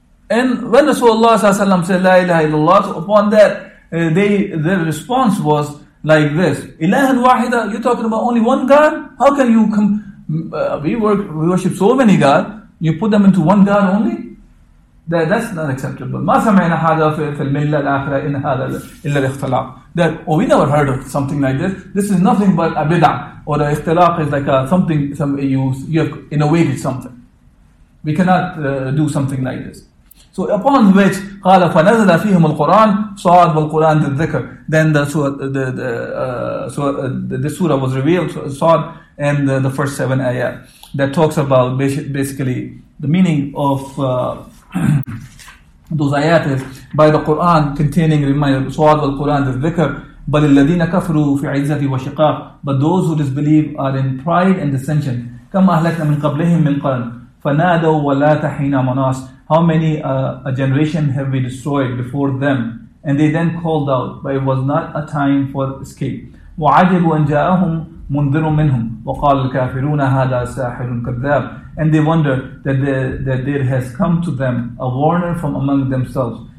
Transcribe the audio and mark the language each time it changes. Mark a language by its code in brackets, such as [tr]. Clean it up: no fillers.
[en] And when Rasulullah sallallahu alaihi wasallam said, La ilaha illallah, so upon that, their response was like this. [ar] Ilaha al-wahida, [en] you're talking about only one God? How can you come, we worship so many gods, you put them into one God only? That's not acceptable. [ar] ما سمعنا هذا في الملة الآخرة إن هذا إلا الاختلاق. [en] That, oh, we never heard of something like this. This is nothing but a bid'ah. Or a ikhtilaq is like you have innovated something. We cannot do something like this. So upon which, [ar] قال فنزل فيهم القرآن صاد والقرآن الذكر. [en] Then the surah was revealed, صاد, and the first seven ayat that talks about basically the meaning of those ayat is by the Quran containing reminder, [ar] صاد والقرآن الذكر. بل الذين كفروا في عزة وشقاق. [en] But those who disbelieve are in pride and dissension. [ar] كم أهلكنا من قبلهم من قرن فنادوا ولا تحين مناص. [en] How many a generation have we destroyed before them? And they then called out, but it was not a time for escape. [ar] وَعَجِبُوا أَنْ جَاءَهُمْ مُنْذِرٌ مِّنْهُمْ وَقَالَ الْكَافِرُونَ هَذَا سَاحِرٌ كَذَّابٌ. [en] And they wonder that there has come to them a warner from among themselves.